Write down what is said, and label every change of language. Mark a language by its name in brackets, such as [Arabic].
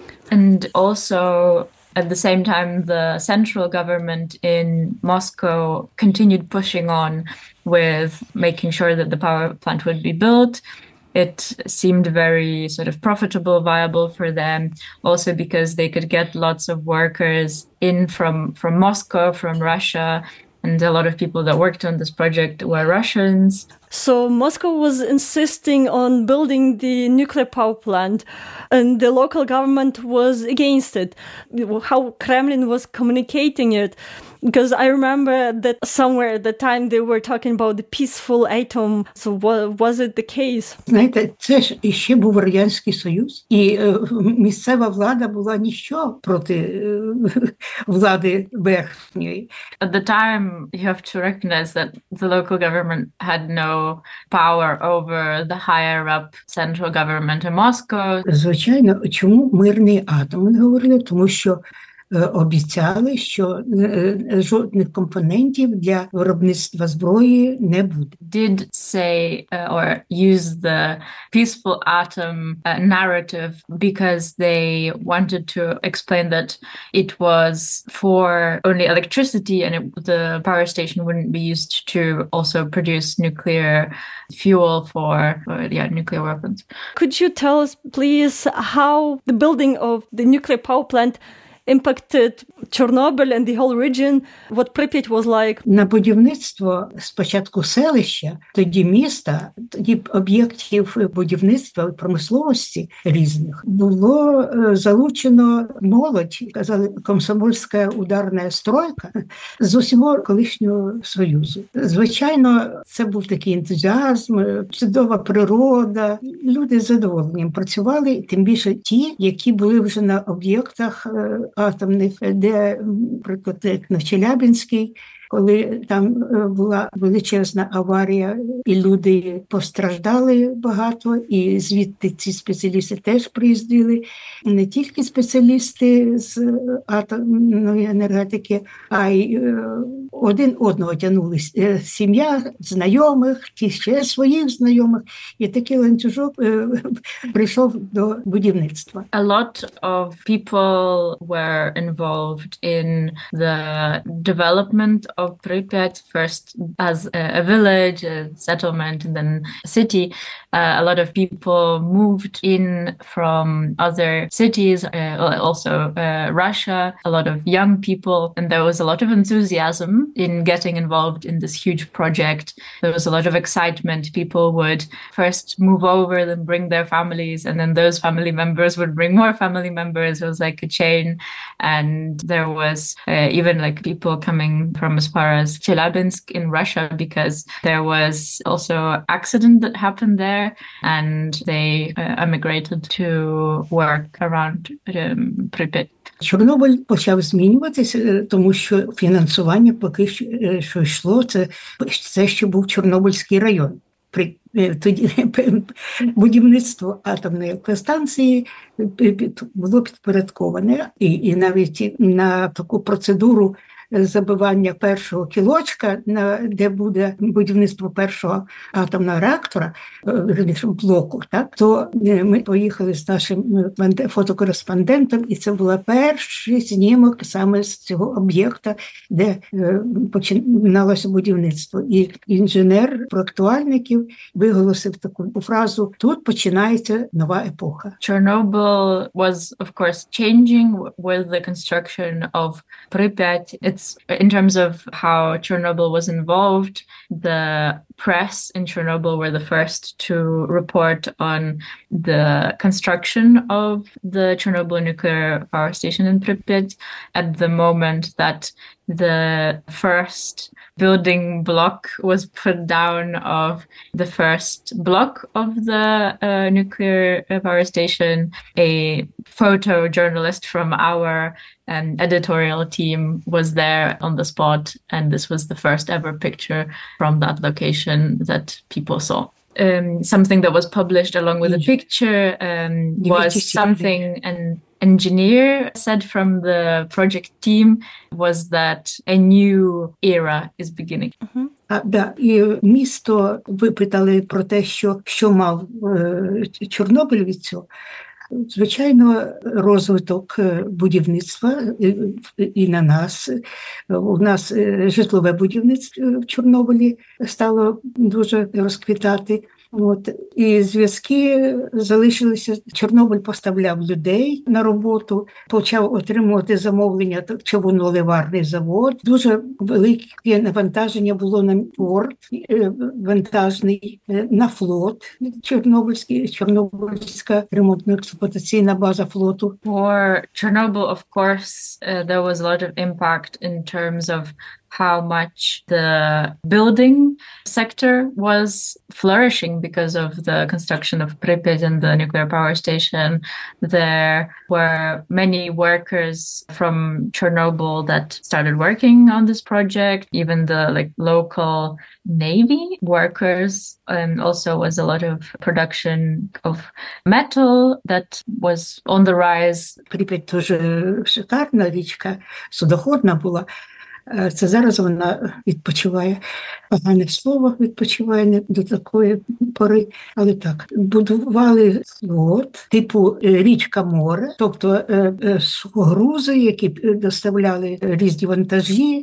[English] And also at the same time, the central government in Moscow continued pushing on with making sure that the power plant would be built. It seemed very sort of profitable, viable for them, also because they could get lots of workers in from Moscow, from Russia, and a lot of people that worked on this project were Russians. So Moscow was insisting on building the nuclear power plant, and the local government was against it. How Kremlin was communicating it, because I remember that somewhere at the time they were talking about the peaceful atom. So was it the case? [Ukrainian] Знаєте, це ж іще був Радянський Союз, і місцева влада була ніщо проти влади верхньої. [English] At the time, you have to recognize that the local government had no power over the higher up central government in Moscow. [Ukrainian] Звичайно, чому мирний атом, вони говорили, тому що обіцяли, що жодних компонентів для виробництва зброї не буде. [English] Did say or use the peaceful atom narrative because they wanted to explain that it was for only electricity and the power station wouldn't be used to also produce nuclear fuel for nuclear weapons. Could you tell us, please, how the building of the nuclear power plant impacted Chernobyl and the whole region, what Pripyat was like? [Ukrainian] На будівництво спочатку селища, тоді міста, тоді об'єктів будівництва промисловості різних було залучено молодь, казали, комсомольська ударна стройка з усього колишнього Союзу. Звичайно, це був такий ентузіазм, чудова природа. Люди з задоволенням працювали, тим більше ті, які були вже на об'єктах атомних, де, наприклад, на Челябинській, коли там була величезна аварія, і люди постраждали багато, і звідти ці спеціалісти теж приїздили. Не тільки спеціалісти з атомної енергетики, а й один одного тягнулись. Сім'я знайомих, ті ще своїх знайомих, і такий ланцюжок прийшов до будівництва. [English] A lot of people were involved in the development of Pripyat, first as a village, a settlement, and then a city. A lot of people moved in from other cities, also Russia, a lot of young people, and there was a lot of enthusiasm in getting involved in this huge project. There was a lot of excitement. People would first move over, then bring their families, and then those family members would bring more family members. It was like a chain, and there was even like people coming from as far as Chelyabinsk in Russia, because there was also an accident that happened there, and they emigrated to work around Pripyat. [Ukrainian] Чорнобиль почав змінюватися, тому що фінансування поки що йшло, це ще був Чорнобильський район. Тоді будівництво атомної електростанції було підпорядковане, і навіть на таку процедуру забивання першого кілочка, де буде будівництво першого атомного реактора, блоку, так, то ми поїхали з нашим фотокореспондентом, і це був перший знімок саме з цього об'єкта, де починалося будівництво. І інженер проектувальників виголосив таку фразу: тут починається нова епоха. [English] Chernobyl was, of course, changing with the construction of Pripyat. It's in terms of how Chernobyl was involved, the press in Chernobyl were the first to report on the construction of the Chernobyl nuclear power station in Pripyat at the moment that the first building block was put down of the first block of the nuclear power station. A photojournalist from our editorial team was there on the spot, and this was the first ever picture from that location that people saw. Something that was published along with a picture was something and engineer said from the project team was that a new era is beginning. [Ukrainian] Да, і місто випитали про те, що мав Чорнобиль від цього. Звичайно, розвиток будівництва і на нас. У нас житлове будівництво в Чорнобилі стало дуже розквітати. От і зв'язки залишилися. Чорнобиль поставляв людей на роботу, почав отримувати замовлення човуноливарний завод. Дуже велике навантаження було на порт вантажний, на флот чорнобильський, чорнобильська ремонтно-експлуатаційна база флоту. [English] For Chernobyl, of course, there was a lot of impact in terms of how much the building sector was flourishing because of the construction of Pripyat and the nuclear power station. There were many workers from Chernobyl that started working on this project. Even the local Navy workers, and also was a lot of production of metal that was on the rise. [Ukrainian] Pripyat тоже шикарна річка, судоходна була. Це зараз вона відпочиває. Погане слово відпочиває не до такої пори. Але так, будували флот, типу річка-море, тобто грузи, які доставляли різні вантажі.